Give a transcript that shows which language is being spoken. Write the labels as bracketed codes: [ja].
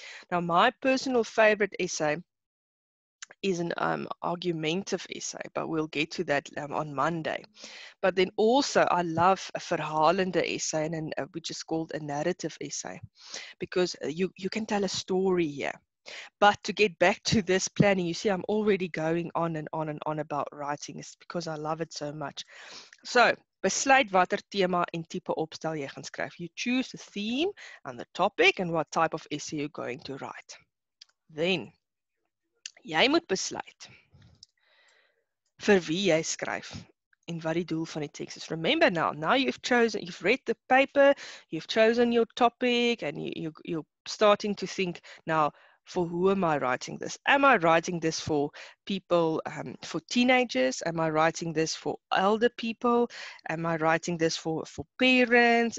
[en] Now, my personal favorite essay is an argumentative essay, but we'll get to that on Monday. But then also, I love a verhalende essay, which is called a narrative essay, because you can tell a story here. But to get back to this planning, you see, I'm already going on and on and on about writing. It's because I love it so much. [af] So, besluit watter tema en tipe opstel jy gaan skryf. [en] You choose the theme and the topic and what type of essay you're going to write. [af] Then, jy moet besluit vir wie jy skryf en wat die doel van die teks is. [en] Remember now you've read the paper, you've chosen your topic, and you're starting to think, now, for who am I writing this? Am I writing this for people, for teenagers? Am I writing this for elder people? Am I writing this for parents?